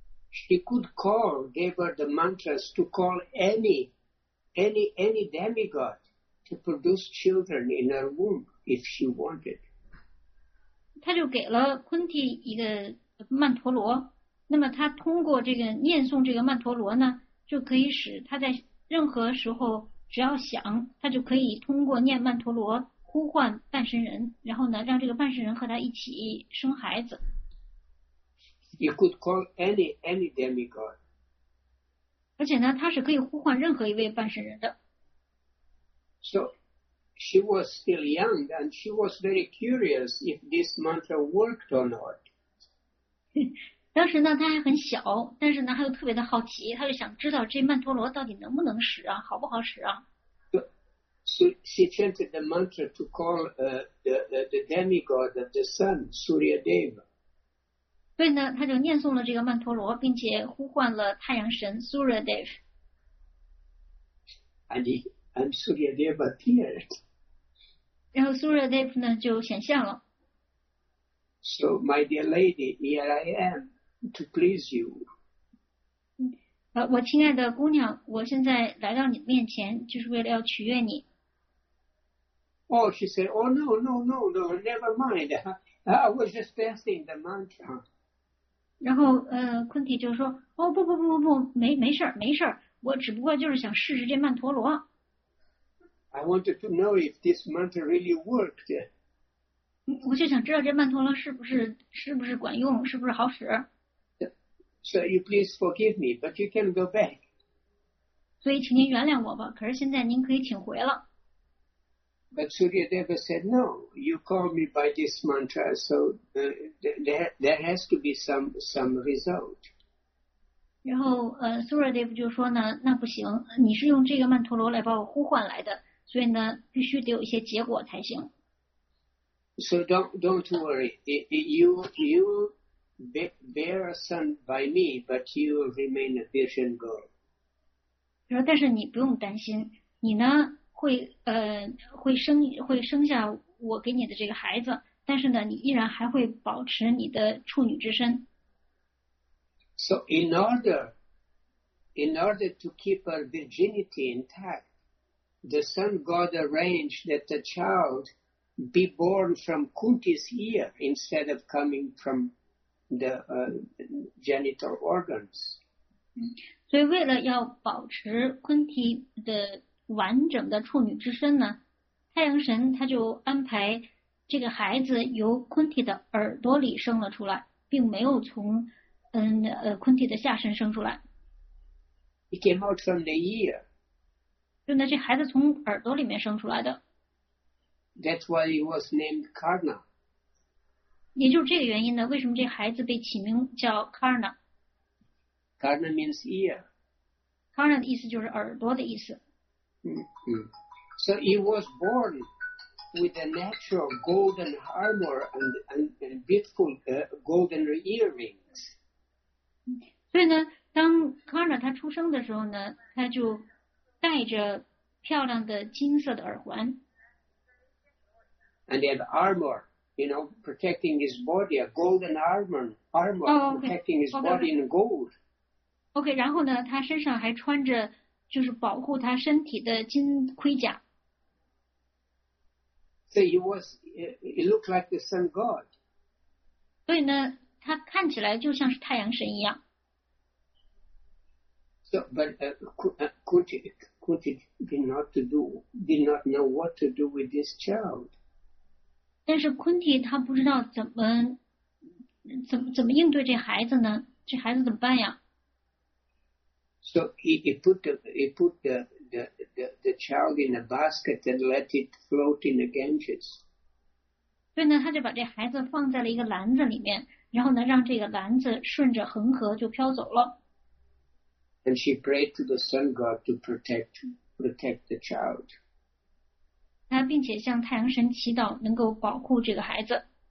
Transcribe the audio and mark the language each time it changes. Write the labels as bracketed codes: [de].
[en] She could call, gave her the mantras to call any demigod to produce children in her womb if she wanted. [zh] 他就给了 Kunti 一个曼陀罗，那么他通过这个念诵这个曼陀罗呢，就可以使他在任何时候只要想，他就可以通过念曼陀罗。呼唤半神人，然后呢，让这个半神人和他一起生孩子。 [en] You could call any demigod. [zh] 而且呢，他是可以呼唤任何一位半神人的。 [en] So, she was still young, and she was very curious if this mantra worked or not. [zh] 当时呢，他还很小，但是呢，他又特别的好奇，他就想知道这曼陀罗到底能不能使啊，好不好使啊。 [en] So she chanted the mantra to call the demigod of the sun, Surya Deva. [zh] 对呢，他就念诵了这个曼陀罗，并且呼唤了太阳神 Surya Deva. [en] And Surya Deva appeared. [zh] 然后 Surya Deva 呢就显现了。 [en] So my dear lady, here I am to please you. [zh] 我亲爱的姑娘，我现在来到你面前，就是为了要取悦你。 [en] Oh, she said, oh, no, never mind. I was just dancing the mantra. [zh] 然后Kunti 就说，哦，不，没事儿，我只不过就是想试试这曼陀罗。 [en] I wanted to know if this mantra really worked. [zh] 我就想知道这曼陀罗是不是管用，是不是好使。 [en] So you please forgive me, but you can go back. [zh] 所以请您原谅我吧，可是现在您可以请回了。 [en] But Surya Deva said, no, you call me by this mantra, so there has to be some result. [zh] 然后Surya Deva 就说呢，那不行，你是用这个曼陀罗来把我呼唤来的，所以呢，必须得有一些结果才行。 [en] So don't worry, you bear a son by me, but you remain a virgin girl. [zh] 说但是你不用担心，你呢？会生下我给你的这个孩子，但是呢，你依然还会保持你的处女之身。 [en] So in order to keep her virginity intact, the sun god arranged that the child be born from Kunti's ear instead of coming from the genital organs. [zh] 所以为了要保持昆提的完整的处女之身呢，太阳神他就安排这个孩子由昆蒂的耳朵里生了出来，并没有从昆蒂的下身生出来。 [en] He came out from the ear. [zh] 就那这孩子从耳朵里面生出来的。 [en] That's why he was named Karna. [zh] 也就是这个原因呢，为什么这孩子被起名叫 Karna? [en] Karna means ear. [zh] Karna 的意思就是耳朵的意思。 [en] So he was born with a natural golden armor and beautiful golden earrings. [zh] 所以呢，当 Karna 他出生的时候呢，他就戴着漂亮的金色的耳环。 [en] And he had armor, you know, protecting his body, a golden armor oh, okay. protecting his body in gold. [zh] Okay, 然后呢，他身上还穿着就是保护他身体的金盔甲。 [en] So he looked like the sun god. [zh] 所以呢，他看起来就像是太阳神一样。 [en] So, but Kunti did not know what to do with this child. [zh] 但是昆提他不知道怎么应对这孩子呢？这孩子怎么办呀 [en] ？So he put the child in a basket and let it float in the Ganges. [zh] 所以呢，他就把这孩子放在了一个篮子里面，然后呢，让这个篮子顺着恒河就飘走了。 [en] And she prayed to the sun god to protect the child. [zh] 她并且向太阳神祈祷，能够保护这个孩子。